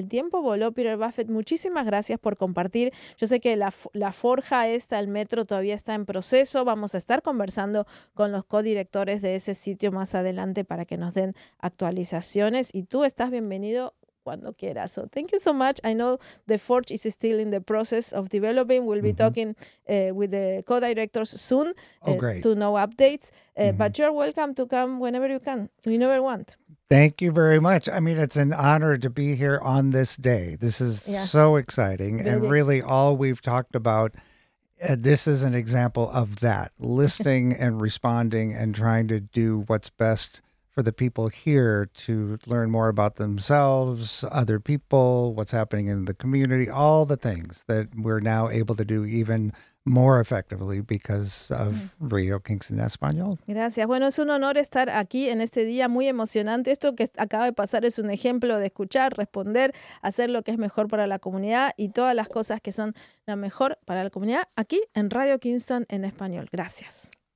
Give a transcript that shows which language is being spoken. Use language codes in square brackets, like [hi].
[es] El tiempo voló, Peter Buffett. Muchísimas gracias por compartir. Yo sé que la forja esta, el metro, todavía está en proceso. Vamos a estar conversando con los codirectores de ese sitio más adelante para que nos den actualizaciones. Y tú estás bienvenido cuando quieras. [en] So thank you so much. I know the forge is still in the process of developing. We'll be talking with the co-directors soon to know updates. But you're welcome to come whenever you can. You never want. Thank you very much. I mean, it's an honor to be here on this day. This is so exciting. Really. And really all we've talked about, this is an example of that. Listening and responding and trying to do what's best for the people here to learn more about themselves, other people, what's happening in the community, all the things that we're now able to do even more effectively because of Radio Kingston Español. [es] Gracias. Bueno, es un honor estar aquí en este día muy emocionante. Esto que acaba de pasar es un ejemplo de escuchar, responder, hacer lo que es mejor para la comunidad y todas las cosas que son la mejor para la comunidad aquí en Radio Kingston en Español. Gracias.